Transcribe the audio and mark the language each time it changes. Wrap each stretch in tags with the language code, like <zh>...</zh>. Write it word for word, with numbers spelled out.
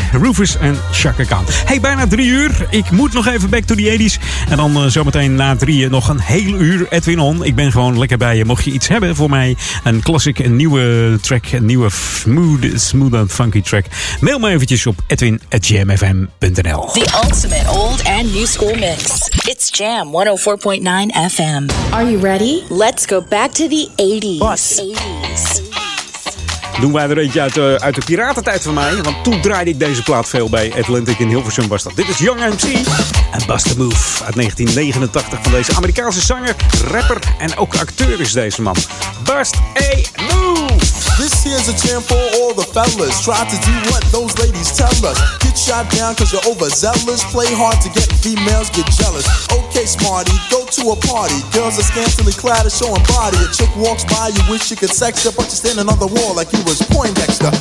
<nl>Rufus en Chaka Khan. Hey, bijna drie uur. Ik moet nog even</nl> <en>back to the eighties.</en> <nl>En dan uh, zometeen na drieën nog een heel uur Edwin On. Ik ben gewoon lekker bij je. Mocht je iets hebben voor mij, een classic, een nieuwe track, een nieuwe</nl> <en>smooth, smooth and funky track,</en> <nl>mail me eventjes op edwin at jam f m dot n l.</nl> <en>The ultimate old and new school mix. It's Jam one oh four point nine F M. Are you ready? Let's go back to the eighties. What? eighties.</en> <nl>Doen wij er eentje uit, uh, uit de piratentijd van mij. Want toen draaide ik deze plaat veel bij Atlantic in Hilversum was dat. Dit is Young M C en Bust a Move uit negentien negenentachtig van deze Amerikaanse zanger, rapper en ook acteur is deze man.</nl> <en>Bust a Move! This here's a jam for all the fellas. Try to do what those ladies tell us. Get shot down cause you're overzealous. Play hard to get females get jealous. Okay smarty, go to a party. Girls are scantily clad and showing body. A chick walks by, you wish you could sex her, but you're standing on the wall like you was Poindexter.</en>